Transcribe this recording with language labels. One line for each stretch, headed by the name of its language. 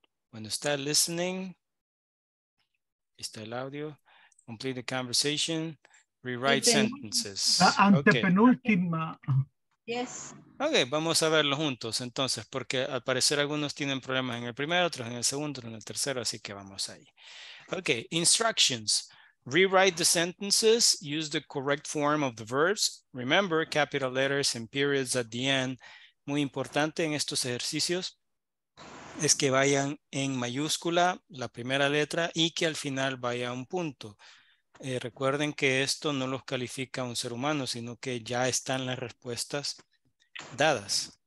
Spanish: Bueno, está listening. Está el audio.
English: Complete the conversation. Rewrite sentences.
Spanish: Antepenúltima.
English: Yes.
Spanish: Ok, vamos a verlo juntos entonces, porque al parecer algunos tienen problemas en el primero, otros en el segundo, otros en el tercero, así que vamos ahí.
English: Ok, instructions. Rewrite the sentences, use the correct form of the verbs. Remember, capital letters and periods at the end.
Spanish: Muy importante en estos ejercicios es que vayan en mayúscula la primera letra y que al final vaya un punto. Recuerden que esto no los califica un ser humano, sino que ya están las respuestas dadas.